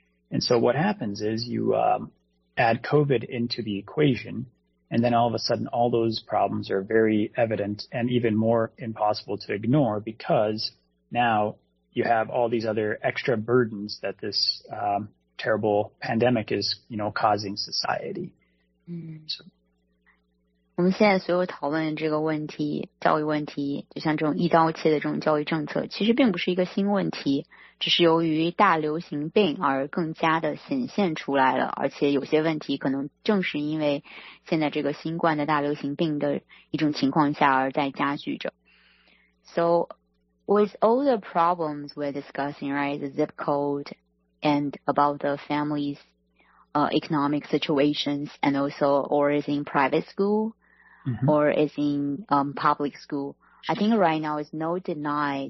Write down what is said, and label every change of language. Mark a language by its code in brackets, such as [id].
[en] And so what happens is you add COVID into the equation, and then all of a sudden all those problems are very evident and even more impossible to ignore because now you have all these other extra burdens that this terrible pandemic is, you know, causing society. [zh] 我们现在所有讨论这个问题，教育问题，就像这种一刀切的这种教育政策，其实并不是一个新问题，只是由于大流行病而更加的显现出来了，而且有些问题可能正是因为现在这个新冠的大流行病的一种情况下而在加剧着。 [en] So with all the problems we're discussing, right, the zip code and about the families, economic situations, and also or is in private school, mm-hmm. or is in public school. I think right now is no deny.